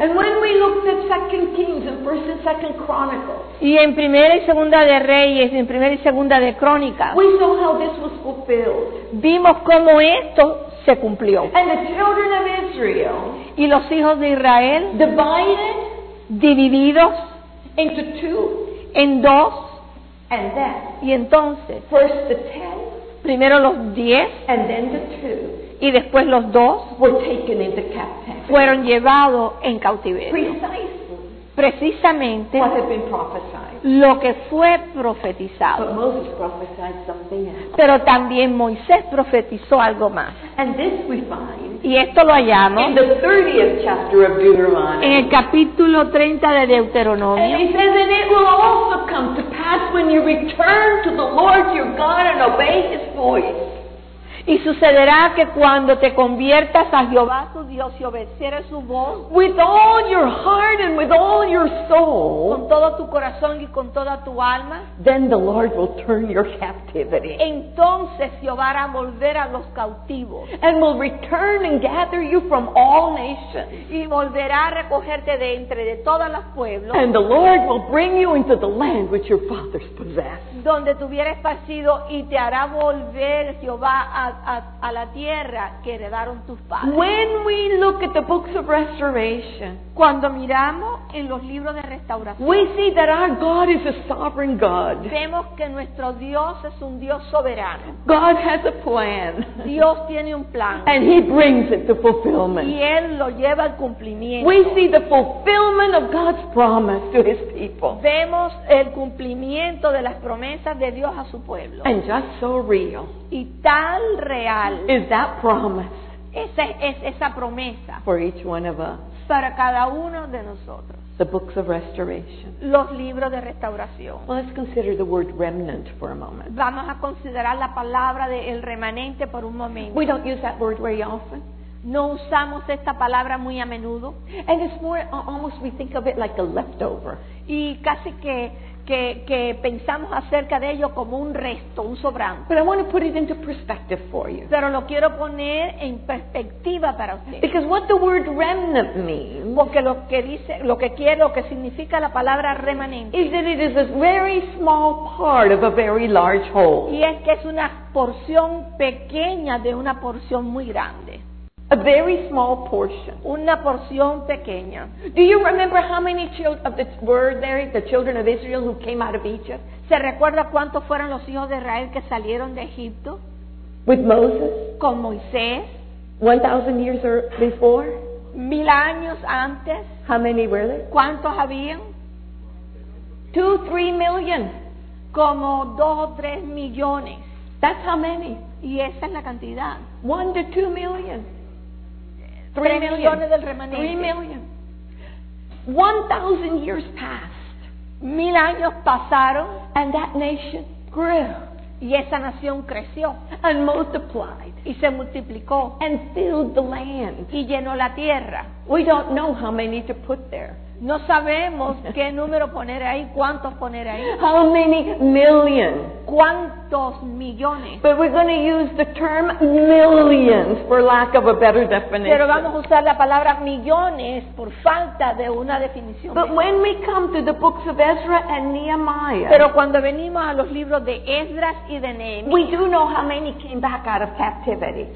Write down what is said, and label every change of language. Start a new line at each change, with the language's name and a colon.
English: And when we looked at 2 Kings and 1 and 2 Chronicles.
Spanish: Y en primera y segunda de Reyes, en primera y segunda de Crónicas.
English: We saw how this was fulfilled.
Spanish: Vimos cómo esto se cumplió.
English: And the children of Israel.
Spanish: Y los hijos de Israel.
English: Divided.
Spanish: Divididos.
English: Into two.
Spanish: En dos.
English: And then.
Spanish: Y entonces.
English: First the 10.
Spanish: Primero los 10.
English: And then the 2.
Spanish: Y después los dos
English: were taken into captivity.
Spanish: Fueron llevados en cautiverio. Precisamente
English: what had been prophesied.
Spanish: Lo que fue profetizado.
English: But Moses prophesied something else.
Spanish: Pero también Moisés profetizó algo más.
English: And this we find,
Spanish: y esto lo hallamos
English: in the 30th chapter of Deuteronomy.
Spanish: En el capítulo 30 de Deuteronomio.
English: And he says, and it will also come to pass when you return to the Lord your God and obey his voice.
Spanish: Y sucederá que cuando te conviertas a Jehová tu Dios y obedeceres su voz,
English: with all your heart and with all your soul,
Spanish: con todo tu corazón y con toda tu alma,
English: then the Lord will turn your captivity.
Spanish: Entonces Jehová hará volver a los cautivos,
English: and will return and gather you from all nations,
Spanish: y volverá a recogerte de entre de todos los pueblos,
English: and the Lord will bring you into the land which your fathers possessed.
Spanish: Donde tuvieras esparcido y te hará volver Jehová a la tierra que heredaron tus padres.
English: When we look at the books of restoration,
Spanish: cuando miramos en los libros de restauración,
English: we see that our God is a sovereign God.
Spanish: Vemos que nuestro Dios es un Dios soberano.
English: God has a plan.
Spanish: Dios tiene un plan.
English: And he brings it to fulfillment.
Spanish: Y él lo lleva al cumplimiento.
English: We see the fulfillment of God's promise to his people.
Spanish: Vemos el cumplimiento de las promesas de Dios a su pueblo.
English: And just so real.
Spanish: Y tan real
English: is that promise.
Spanish: Esa promesa.
English: For each one of us.
Spanish: Para cada uno de nosotros.
English: The books of restoration.
Spanish: Los libros de restauración.
English: Well, let's consider the word remnant for a moment.
Spanish: Vamos a considerar la palabra de el remanente por un momento.
English: We don't use that word very often.
Spanish: No usamos esta palabra muy a menudo.
English: And it's more almost we think of it like a leftover.
Spanish: Y casi que pensamos acerca de ello como un resto, un sobrante.
English: But I want to put it into perspective for you.
Spanish: Pero lo quiero poner en perspectiva para usted.
English: Because what the word remnant means,
Spanish: porque lo que dice, lo que quiere, lo que significa la palabra remanente,
English: is that it is a very small part of a very large whole.
Spanish: Y es que es una porción pequeña de una porción muy grande.
English: A very small portion.
Spanish: Una porción pequeña.
English: Do you remember how many children of the word there, the children of Israel who came out of Egypt?
Spanish: ¿Se recuerda cuántos fueron los hijos de Israel que salieron de Egipto?
English: With Moses.
Spanish: Con Moisés.
English: 1,000 years before.
Spanish: Mil años antes.
English: How many were there?
Spanish: ¿Cuántos habían?
English: 2-3 million.
Spanish: Como 2 o 3 millones.
English: That's how many.
Spanish: Y esa es la cantidad.
English: 1 to 2 million.
Spanish: 3 millones del remanente.
English: 3 million. 1,000 years passed.
Spanish: 1,000 años pasaron.
English: And that nation grew.
Spanish: Y esa nación creció.
English: And multiplied.
Spanish: Y se multiplicó.
English: And filled the land.
Spanish: Y llenó la tierra.
English: We don't know how many to put there.
Spanish: No sabemos qué número poner ahí, cuántos poner ahí.
English: How many millions?
Spanish: ¿Cuántos millones?
English: But we're going to use the term millions for lack of a better definition.
Spanish: Pero vamos a usar la palabra millones por falta de una definición.
English: But when we come to the books of Ezra and Nehemiah,
Spanish: pero cuando venimos a los libros de Esdras y de Nehemiah,
English: we do know how many came back out of captivity.